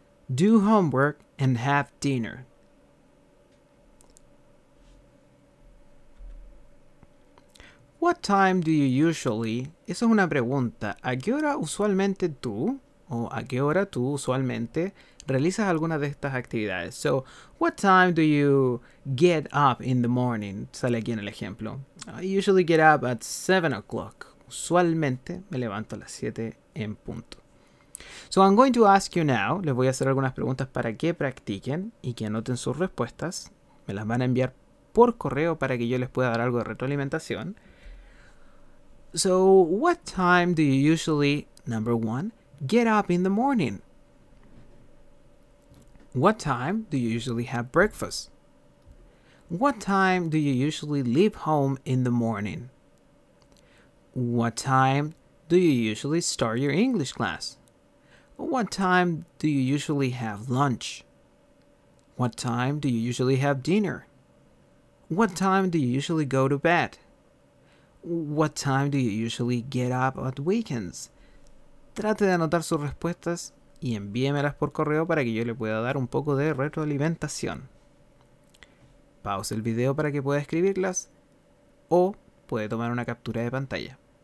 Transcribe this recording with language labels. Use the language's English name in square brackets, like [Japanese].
[English] Do homework and have dinner. What time do you usually... [Spanish] Eso es una pregunta. ¿A qué hora usualmente tú? ¿O a qué hora tú usualmente realizas alguna de estas actividades? [English] So, what time do you get up in the morning? [Spanish] Sale aquí en el ejemplo. [English] I usually get up at 7 o'clock. [Spanish] Usualmente me levanto a las 7 en punto. [English] So I'm going to ask you now, [Spanish] les voy a hacer algunas preguntas para que practiquen y que anoten sus respuestas. Me las van a enviar por correo para que yo les pueda dar algo de retroalimentación. [English] So what time do you usually, number one, get up in the morning? What time do you usually have breakfast? What time do you usually leave home in the morning? What time do you usually start your English class? What time do you usually have lunch? What time do you usually have dinner? What time do you usually go to bed? What time do you usually get up on weekends? [Spanish] Trate de anotar sus respuestas y envíemelas por correo para que yo le pueda dar un poco de retroalimentación. Pause el video para que pueda escribirlas o puede tomar una captura de pantalla.